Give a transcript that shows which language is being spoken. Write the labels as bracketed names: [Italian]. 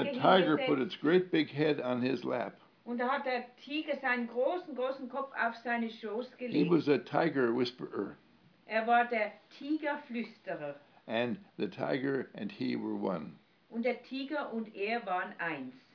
[English] and the tiger put its great big head on his lap. [German] Und da hat der Tiger seinen großen Kopf auf seine Schoß gelegt. [English] He was a tiger whisperer. [German] Er war der Tigerflüsterer. [English] And the tiger and he were one. [German] Und der Tiger und er waren eins.